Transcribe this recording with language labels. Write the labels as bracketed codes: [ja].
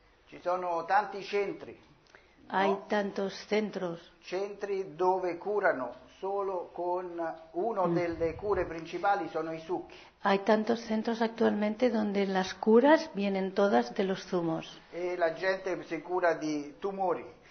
[it] Ci sono tanti centri, [es] hay no? tantos centros. [it] Centri dove curano solo con uno delle cure principali sono i succhi. [es] Hay tantos centros actualmente donde las curas vienen todas de los zumos. [it] E la gente si cura di tumori.